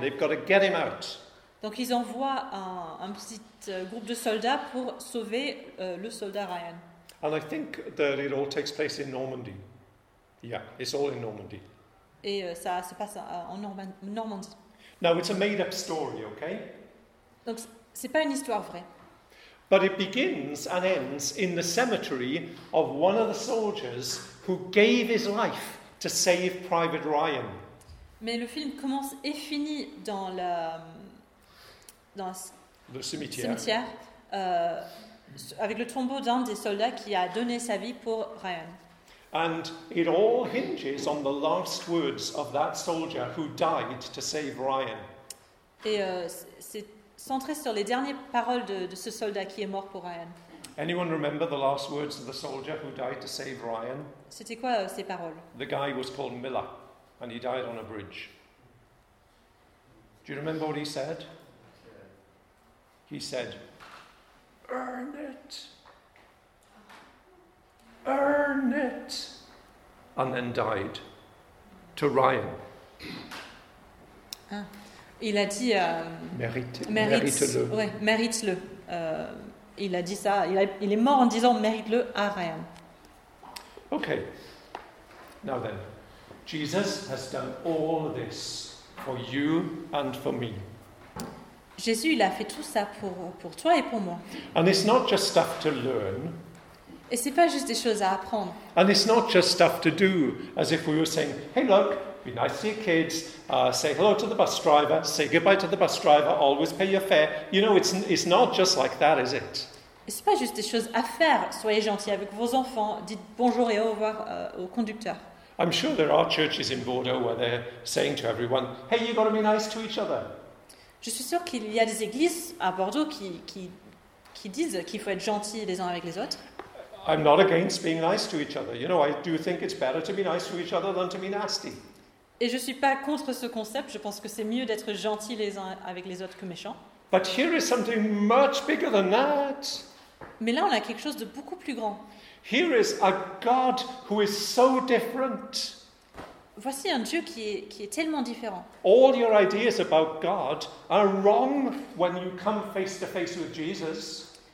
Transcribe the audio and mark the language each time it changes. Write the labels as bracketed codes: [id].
[en] They've got to get him out. [fr] Donc ils envoient un petit groupe de soldats pour sauver le soldat Ryan. [en] And I think that it all takes place in Normandy. Yeah, it's all in Normandy. [fr] Et ça se passe en Normandie. [en] Now it's a made-up story, okay? [fr] Donc c'est pas une histoire vraie. [en] But it begins and ends in the cemetery of one of the soldiers who gave his life to save Private Ryan. [fr] Mais le film commence et finit dans la dans le cimetière, avec le tombeau d'un des soldats qui a donné sa vie pour Ryan. [en] And it all hinges on the last words of that soldier who died to save Ryan. [fr] Et c'est centré sur les dernières paroles de ce soldat qui est mort pour Ryan. [en] Anyone remember the last words of the soldier who died to save Ryan? [fr] C'était quoi ces paroles? [en] The guy was called Miller, and he died on a bridge. Do you remember what he said? He said, "Earn it. Earn it." And then died. To Ryan. [fr] Il a dit mérite-le. Ouais, mérite-le. Il a dit ça, il est mort en disant mérite-le à Ryan. [en] OK. Now then. Jesus has done all this for you and for me. [fr] Jésus, il a fait tout ça pour toi et pour moi. [en] And it's not just stuff to learn. [fr] Et c'est pas juste des choses à apprendre. [en] And it's not just stuff to do, as if we were saying, "Hey, look, be nice to your kids, say hello to the bus driver, say goodbye to the bus driver, always pay your fare." You know, it's not just like that, is it? [fr] Et c'est pas juste des choses à faire. Soyez gentils avec vos enfants, dites bonjour et au revoir au conducteur. [en] I'm sure there are churches in Bordeaux where they're saying to everyone, "Hey, you got to be nice to each other." [fr] Je suis sûr qu'il y a des églises à Bordeaux qui disent qu'il faut être gentil les uns avec les autres. [en] I'm not against being nice to each other. You know, I do think it's better to be nice to each other than to be nasty. [fr] Et je suis pas contre ce concept. Je pense que c'est mieux d'être gentil les uns avec les autres que méchant. [en] But here is something much bigger than that. [fr] Mais là, on a quelque chose de beaucoup plus grand. [en] Here is a God who is so different. [fr] Voici un Dieu qui est tellement différent. [en] All your ideas about God are wrong when you come face to face with Jesus.